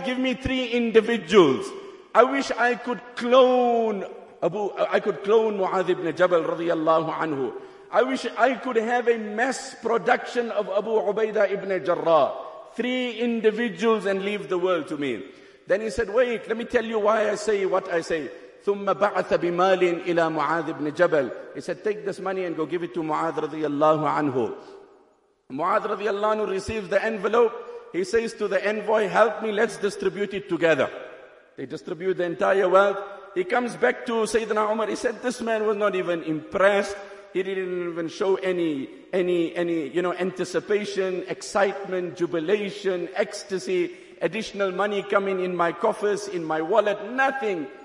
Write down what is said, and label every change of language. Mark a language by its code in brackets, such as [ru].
[en] Give me three individuals. I wish I could clone Abu. I could clone Mu'adh ibn Jabal radiyallahu anhu. I wish I could have a mass production of Abu Ubaidah ibn Jarrah. Three individuals and leave the world to me. Then he said, wait, let me tell you why I say what I say. [ar] ثُمَّ بَعَثَ بِمَالٍ إِلَى مُعَاذ ibn Jabal. [en] He said, take this money and go give it to Mu'adh radiyallahu anhu. Mu'adh radiyallahu anhu receives the envelope. He says to the envoy, help me, let's distribute it together. They distribute the entire wealth. He comes back to Sayyidina Umar. He said, this man was not even impressed. He didn't even show any, you know, anticipation, excitement, jubilation, ecstasy, additional money coming in my coffers, in my wallet, nothing.